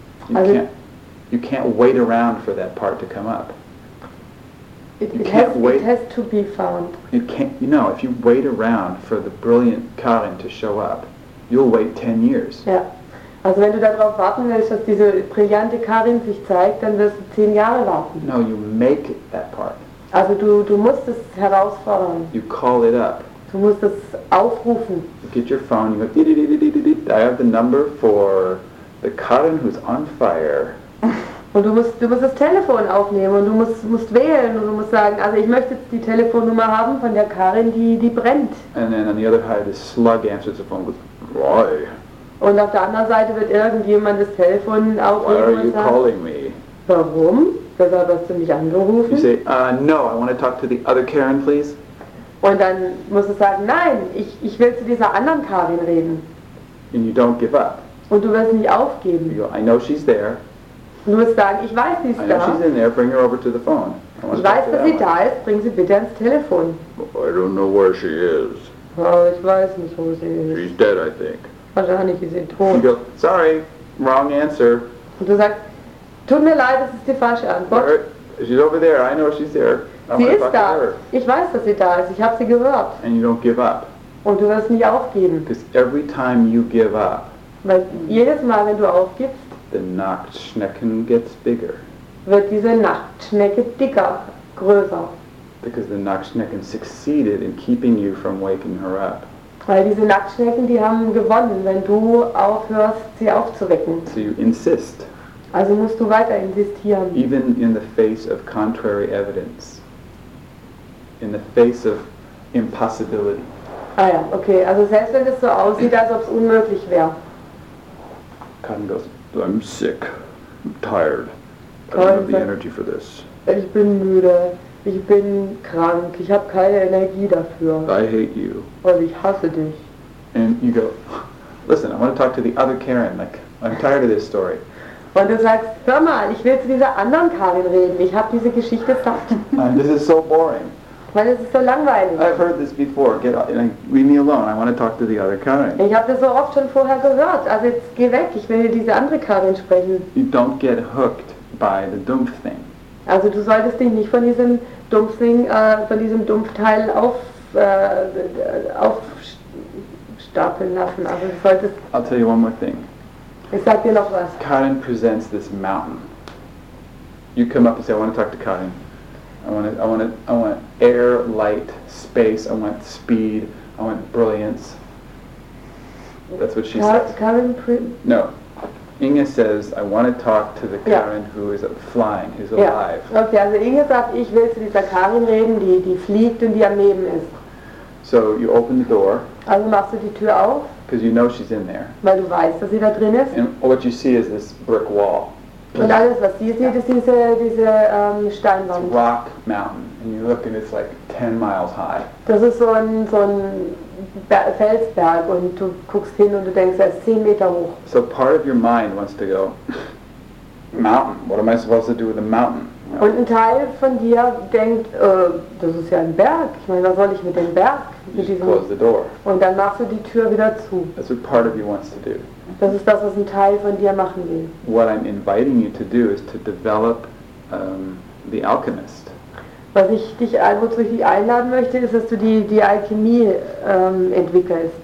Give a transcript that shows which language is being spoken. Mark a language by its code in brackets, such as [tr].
[en] You can't wait around for that part to come up. It has to be found. It can't, you know, if you wait around for the brilliant Karin to show up, you'll wait 10 years. Yeah. [de] Also wenn du darauf warten willst, dass diese brillante Karin sich zeigt, dann wirst du 10 Jahre warten. [en] No, you make it that part. [de] Also du musst es herausfordern. [en] You call it up. [de] Du musst es aufrufen. [en] You get your phone, you go, I have the number for the Karin who's on fire. [de] Und du musst das Telefon aufnehmen und du musst wählen und du musst sagen, also ich möchte die Telefonnummer haben von der Karin, die brennt. [en] And then on the other side, the slug answers the phone with, why? [de] Und auf der anderen Seite wird irgendjemand das Telefon aufnehmen [en] why are you [de] und sagen, [en] calling me? [de] Warum? Deshalb hast du mich angerufen? [en] You say, no, I want to talk to the other Karin, please. [de] Und dann musst du sagen, nein, ich will zu dieser anderen Karin reden. [en] And you don't give up. [de] Und du wirst nicht aufgeben. [en] You go, I know she's there. [de] Du musst sagen, ich weiß, sie ist da. [en] She's in there. Bring her over to the phone. [de] Ich weiß, dass sie da ist. Bring sie bitte ans Telefon. [en] I don't know where she is. [de] Oh, ich weiß nicht, wo sie ist. [en] She's dead, I think. [de] Wahrscheinlich ist sie tot. [en] You go, sorry, wrong answer. [de] Und du sagst, tut mir leid, das ist die falsche Antwort. [en] She's over there. I know she's there. [de] Sie ist da. Ich weiß, dass sie da ist. Ich habe sie gehört. [en] And you don't give up. [de] Und du wirst nicht aufgeben. [en] Because every time you give up. [de] Weil jedes Mal, wenn du aufgibst, [en] the Nacktschnecken gets bigger. [de] Wird diese Nacktschnecke dicker, größer. [en] Because the Nacktschnecken succeeded in keeping you from waking her up. [de] Weil diese Nacktschnecken, die haben gewonnen, wenn du aufhörst, sie aufzuwecken. [en] So you insist. [de] Also musst du weiter insistieren. [en] Even in the face of contrary evidence. In the face of impossibility. [de] Ah ja, okay. Also selbst wenn es so aussieht, als ob es unmöglich wäre. [en] Karin goes, I'm sick. I'm tired. I don't have the energy for this. [de] Ich bin müde. Ich bin krank. Ich habe keine Energie dafür. [en] I hate you. [de] Und ich hasse dich. [en] And you go, listen, I want to talk to the other Karin. Like, I'm tired of this story. [de] Und du sagst, hör mal, ich will zu dieser anderen Karin reden. Ich habe diese Geschichte satt. [en] And this is so boring. [de] Weil es ist so langweilig. [en] I've heard this before. Get out, leave me alone. I want to talk to the other Karin. [de] Ich habe das so oft schon vorher gehört. Also jetzt geh weg. Ich will hier diese andere Karin sprechen. [en] You don't get hooked by the Dumpfthing. [de] Also du solltest dich nicht von diesem Dumpfthing, von diesem Dumpfteil aufstapeln lassen. Also du solltest. [en] I'll tell you one more thing. [de] Ich sag dir noch was. [en] Karin presents this mountain. You come up and say, I want to talk to Karin. I want air, light, space, I want speed, I want brilliance. That's what she says. Karin No. Inge says, I want to talk to the Karin who is flying, who's alive. [de] Okay, also Inge sagt, ich will zu dieser Karin reden, die fliegt und die am Leben ist. [en] So you open the door. [de] Also machst du die Tür auf. [en] Because you know she's in there. [de] Weil du weißt, dass sie da drin ist. [en] And what you see is this brick wall. [de] Und alles, was sie sieht, ist diese Steinwand. [en] It's rock mountain. And you look and it's like 10 miles high. [de] Das ist so ein Felsberg und du guckst hin und du denkst, er ist 10 Meter hoch. [en] So part of your mind wants to go, mountain, what am I supposed to do with a mountain? [de] Und ein Teil von dir denkt, das ist ja ein Berg. Ich meine, was soll ich mit dem Berg? [en] You just close the door. [de] Und dann machst du die Tür wieder zu. [en] That's what part of you wants to do. [de] Das ist das, was ein Teil von dir machen will. [en] What I'm inviting you to do is to develop the alchemist. [de] Was ich dich also zu dich einladen möchte, ist, dass du die Alchemie entwickelst.